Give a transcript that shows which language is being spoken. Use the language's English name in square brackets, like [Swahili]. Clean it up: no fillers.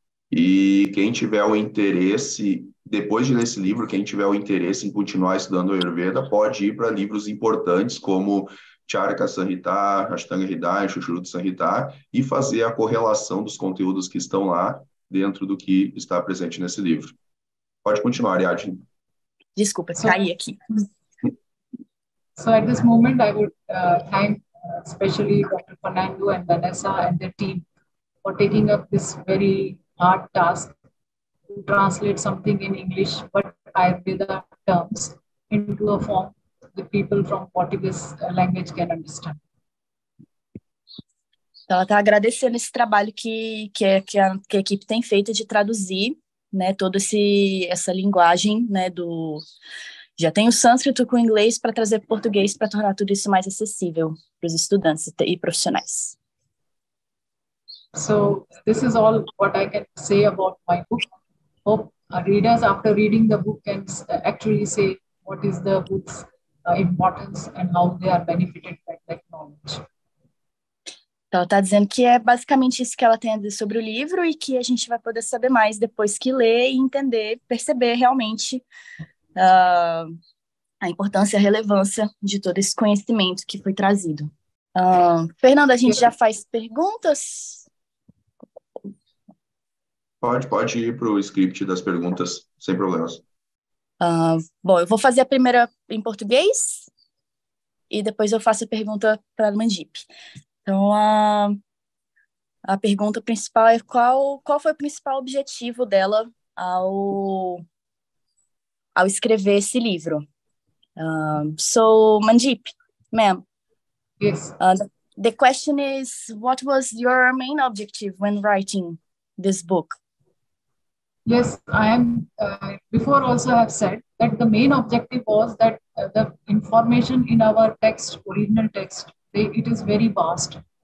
[Portuguese] E quem tiver o interesse, depois de ler esse livro, quem tiver o interesse em continuar estudando Ayurveda, pode ir para livros importantes como Charaka Samhita, Ashtanga Hridaya, Shushruta Samhita, e fazer a correlação dos conteúdos que estão lá dentro do que está presente nesse livro. Pode continuar, Ariadne. Desculpa, caí aqui. [English] So at this moment, I would thank especially Dr. Fernando and Vanessa and their team for taking up this very hard task to translate something in English, but Ayurveda terms, into a form the people from Portuguese language can understand. [Portuguese] Então, ela está agradecendo esse trabalho que a equipe tem feito de traduzir, né, toda essa linguagem, né, do... Já tem o sânscrito com o inglês para trazer para o português para tornar tudo isso mais acessível para os estudantes e profissionais. [English] So, this is all what I can say about my book. Hope readers, after reading the book, can actually say what is the book's importance and how they are benefited by that knowledge. [Portuguese] Então, ela está dizendo que é basicamente isso que ela tem a dizer sobre o livro e que a gente vai poder saber mais depois que ler e entender, perceber realmente a importância e a relevância de todo esse conhecimento que foi trazido. Fernanda, a gente já faz perguntas? Pode ir para o script das perguntas, sem problemas. Bom, eu vou fazer a primeira em português e depois eu faço a pergunta para a Mandip. Então, a pergunta principal é qual foi o principal objetivo dela ao escrever esse livro. [English] So, Mandip, ma'am. Yes. The question is, what was your main objective when writing this book? Yes, I am. Before also have said that the main objective was that the information in our text, original text, it is very vast.